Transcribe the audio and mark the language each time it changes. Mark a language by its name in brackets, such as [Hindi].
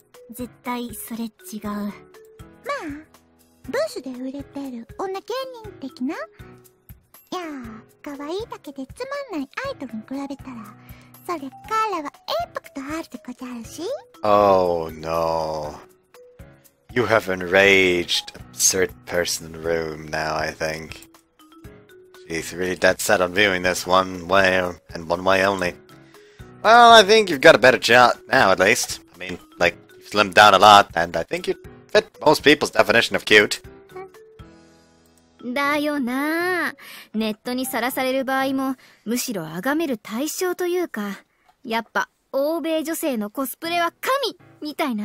[Japanese] 絶対それ違う。まあブースで売れてる女芸人的な。いや、可愛いだけでつまんないアイドルに比べたら、それからはインパクトあるでこじゃんし。 [English] Oh no. You have enraged a certain person in the room now, I think. She's really dead set on viewing this one way and one way only. Well, I think you've got a better shot now, at least. I mean, like, you've slimmed down a lot, and I think you fit most people's definition of cute. [Japanese] だよな。ネットにさらされる場合も、むしろ崇める対象というか、やっぱ欧米女性のコスプレは神みたいな。